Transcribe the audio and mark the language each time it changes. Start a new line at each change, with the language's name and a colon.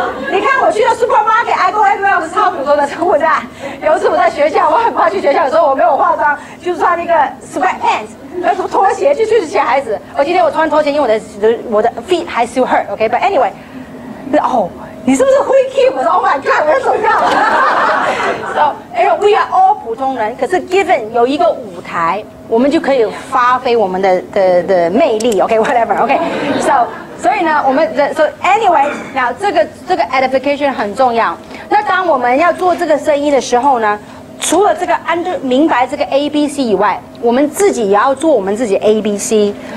Chinese: 你看我去了 supermarket，
English: I go everywhere，
Chinese: 我是超普通的。我在有一次我在学校，我很怕去学校的时候，我没有化妆，就穿那个 sweatpants， 还有拖鞋去是小孩子。我今天我穿拖鞋，因为我的 feet 还
English: still hurt，
Chinese: OK，
English: but anyway，
Chinese: 哦，你是不是会 keep？我说
English: Oh my God，
Chinese: 我要走掉了。
English: So， anyway， we are all
Chinese: 普通人，可是 given 有一个舞台。我们就可以发挥我们的魅力 ，OK，
English: whatever，
Chinese: OK， so， 所以呢，我们的
English: so anyway，
Chinese: 那这个 edification 很重要。那当我们要做这个生意的时候呢，除了这个明白这个 A B C 以外，我们自己也要做我们自己 A B C。